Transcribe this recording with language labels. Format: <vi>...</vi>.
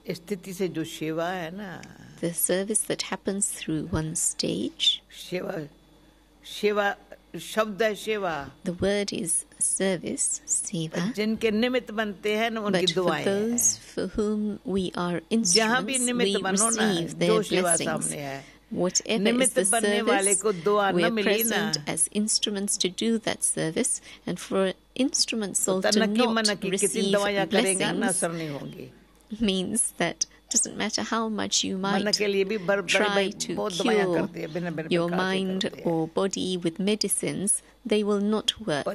<en>The service that happens through one stage, the word is service, seva.</en> <hi>जिनके निमित्त बनते हैं ना उनकी दुआएं.</hi> <en>But for those for whom we are instruments, we receive their blessings. Whatever is the service, we're present as instruments to do that service. And for instruments soul to not receive blessings, means that doesn't matter how much you might try to cure your mind or body with medicines, they will not work.</en>